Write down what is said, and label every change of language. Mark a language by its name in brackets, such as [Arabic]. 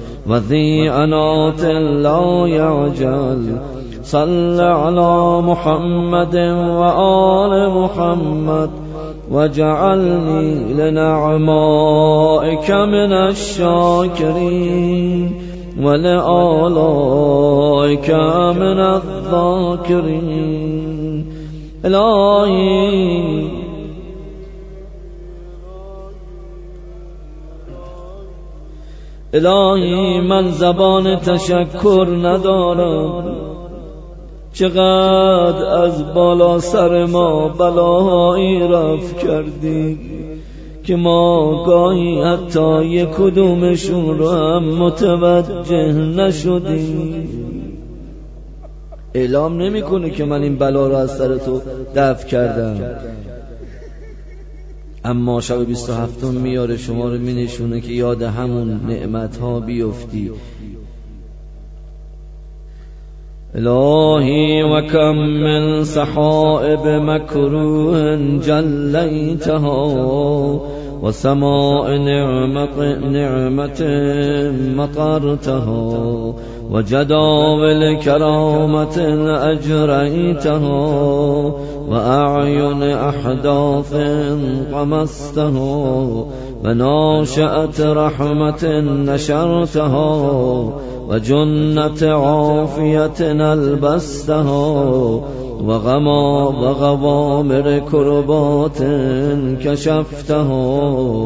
[Arabic] وذي أنات لا يعجل صل على محمد وآل محمد واجعلني لنعمائك من الشاكرين ولآلائك من الذاكرين. [Persian] إلهي إلهی من زبان تشکر ندارم چقدر از بالا سر ما بلاهایی رفع کردی که ما گاهی حتی یک کدومشون رو هم متوجه نشدیم. اعلام نمی کنه که من این بلا رو از سر تو دفع کردم، اما شب 27 میاره شما رو می نشونه که یاد همون نعمت ها بیفتی. [Arabic] الهی و کم من صحائب مکروه جلیتها و سماء نعمت مطرتها و جداول کرامت اجریتها و اعین احداث قمستها و ناشأت رحمت نشرتها و جنت عافیت البستها و غما و غوامر کربات کشفتها